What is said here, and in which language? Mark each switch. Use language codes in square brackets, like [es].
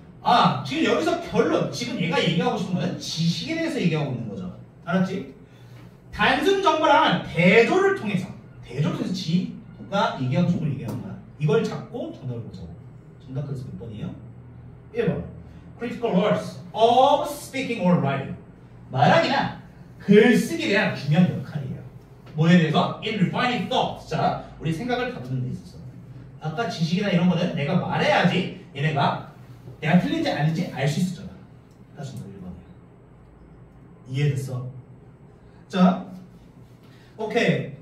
[ko] 아, 지금 여기서 결론. 지금 얘가 얘기하고 싶은 거는 지식에 대해서 얘기하고 있는 거죠. 알았지? 단순 정보라는 대조를 통해서, 대조를 통해서 지가 얘기하고 싶은 걸 얘기하는 거야. 이걸 찾고 정답을 보자고. 정답 그래서 몇 번이에요? 1번. [en] Critical words of speaking or writing. [ko] 말하기나 글쓰기에 대한 중요한 역할이에요. 뭐에 대해서? [en] In refining thoughts. [ko] 자, 우리 생각을 다루는 데 있어서. 아까 지식이나 이런 거는 내가 말해야지 얘네가 내가 틀린지 아닌지 알 수 있었잖아. 다시 한번 1번이야. 이해됐어? 자, 오케이.